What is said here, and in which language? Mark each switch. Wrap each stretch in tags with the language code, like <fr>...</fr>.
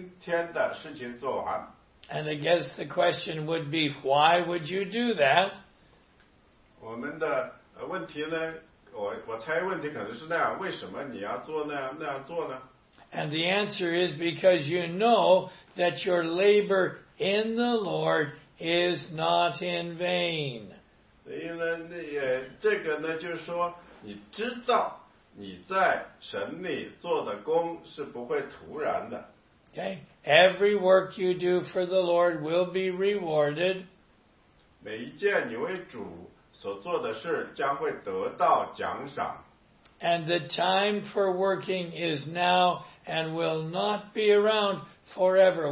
<zh>因为这呢，很多都是完全不同的逻辑，但是主耶稣说，如果你要去天堂，你必须把你今天的事情做完。</zh> <en>And against the question would be, why would you do that?</en> <zh>我们的问题呢，我猜问题可能是那样，为什么你要做那样做呢？</zh> <en>And the answer is because you know that your labor in the Lord is not in vain.</en> <zh>所以呢，这个呢，就是说，你知道你在神里做的工是不会徒然的。</zh> <en>Okay, every work you do for the Lord will be rewarded.</en> <zh>每一件你为主所做的事将会得到奖赏。</zh> <en>And the time for working is now and will not be around forever.</en>